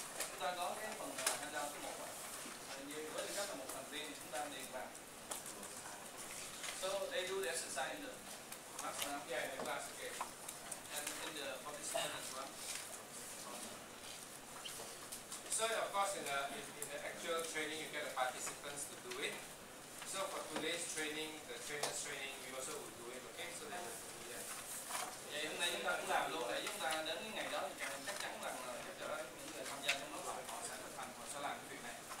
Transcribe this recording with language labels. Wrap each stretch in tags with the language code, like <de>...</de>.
<vi>chúng ta có cái phần tham gia số 1 như với tư cách là một thành viên thì chúng ta điền vào.</vi> <en>So they do the exercise in the class, yeah, in the class again, and in the participant as well. So of course in the actual training you get the participants to do it. So for today's training, the trainer's training, we also will do it, okay? So that's it.</en> <vi>Vậy hôm nay chúng ta cũng làm luôn để chúng ta đến cái ngày đó thì chắc chắn rằng là giúp đỡ những người tham gia trong lớp học họ sẽ thực hành, họ sẽ làm cái việc này.</vi>